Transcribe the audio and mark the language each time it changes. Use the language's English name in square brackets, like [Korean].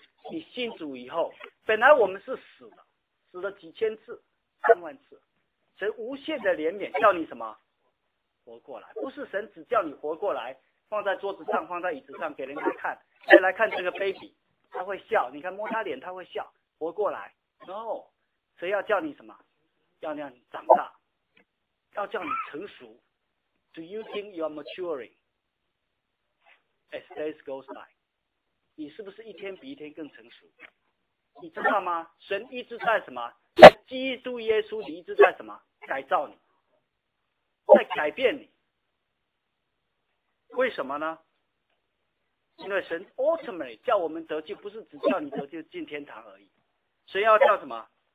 [Chinese] 你信主以后，本来我们是死的，死了几千次3万次，神无限的怜悯叫你什么活过来。不是神只叫你活过来，放在桌子上，放在椅子上给人家看，再来看这个 baby，他会笑，你看摸他脸他会笑，活过来。 No， 谁要叫你什么？要让你长大，要叫你成熟。 [English] Do you think you are maturing as days goes by？ [Chinese] 你是不是一天比一天更成熟？你知道吗？神一直在什么？在基督耶稣里一直在什么？改造你，在改变你。为什么呢？因为神 ultimately 叫我们得救，不是只叫你得救进天堂而已。神要叫什么？